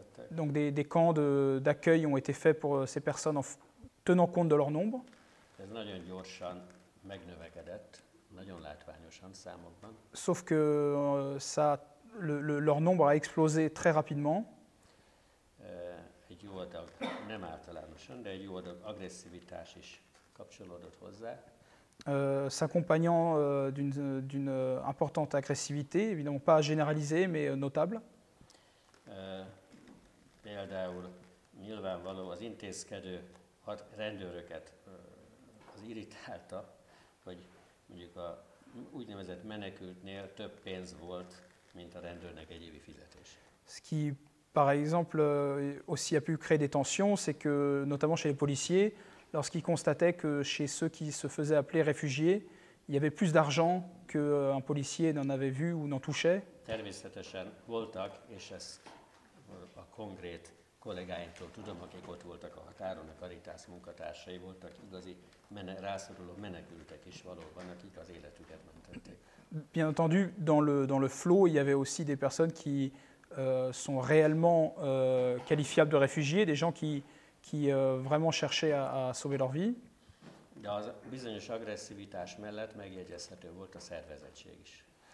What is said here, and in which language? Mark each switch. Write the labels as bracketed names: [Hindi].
[French] Donc des camps d'accueil ont été faits pour ces personnes en tenant compte de leur nombre. [Hungarian] Ez nagyon gyorsan megnövekedett, nagyon látványosan számokban. [French] Sauf que ça, leur nombre a explosé très rapidement. [Hungarian] Egy jó adag, nem általánosan, de egy jó adag agresszivitás is kapcsolódott hozzá. [French] S'accompagnant d'une importante agressivité, évidemment pas généralisée, mais notable. [Hungarian] Például nyilvánvaló az intézkedő rendőröket az irritálta, hogy mondjuk a úgynevezett menekültnél több pénz volt, mint a rendőrnek egy évi fizetése. [French] Ce qui, par exemple, aussi a pu créer des tensions, c'est que, notamment chez les policiers, lorsqu'ils constataient que chez ceux qui se faisaient appeler réfugiés, il y avait plus d'argent qu'un policier n'en avait vu ou n'en touchait. [Hungarian] Természetesen voltak, és ezt a konkrét kollégáimtól tudom, akik ott voltak a határon, a Caritas munkatársai voltak, igazi rászoruló menekültek is valóban, akik az életüket mentették. [French] Bien entendu, dans le flot, il y avait aussi des personnes qui sont réellement qualifiables de réfugiés, des gens qui vraiment cherchaient à sauver leur vie. [Hungarian] De az bizonyos agresszivitás mellett megjegyezhető volt a szervezettség is.